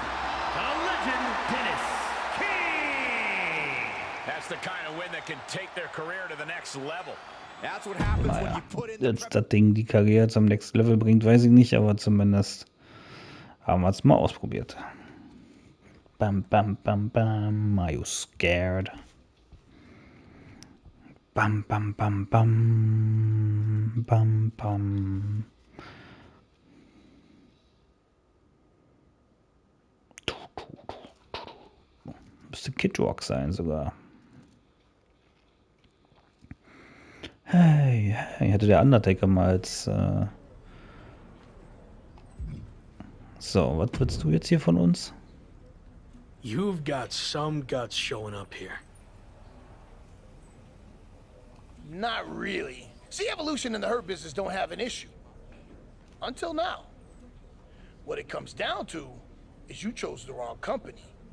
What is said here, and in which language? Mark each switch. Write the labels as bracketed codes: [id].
[de] Naja, jetzt das Ding die Karriere zum nächsten Level bringt, weiß ich nicht, aber zumindest haben wir es mal ausprobiert. [en] Bam, bam, bam, bam, are you scared? Bam, bam, bam, bam, bam, bam. [de] Müsste Kid Rock sein sogar. Hey, hey, hätte der Undertaker mal als. So, was willst du jetzt hier von uns? [en] You've got some guts showing up here. Not really. See, Evolution and the Hurt Business don't have an issue. Until now. What it comes down to is you chose the wrong company.